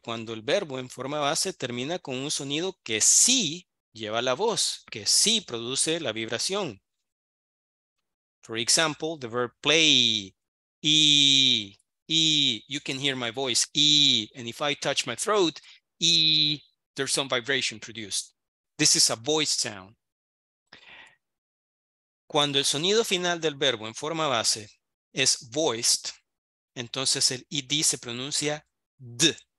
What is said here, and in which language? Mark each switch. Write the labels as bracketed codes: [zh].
[es] Cuando el verbo en forma base termina con un sonido que sí lleva la voz, que sí produce la vibración. [en] For example, the verb play, E, E, you can hear my voice, E, and if I touch my throat, E, there's some vibration produced. This is a voice sound. [es] Cuando el sonido final del verbo en forma base es voiced, entonces el ED se pronuncia D.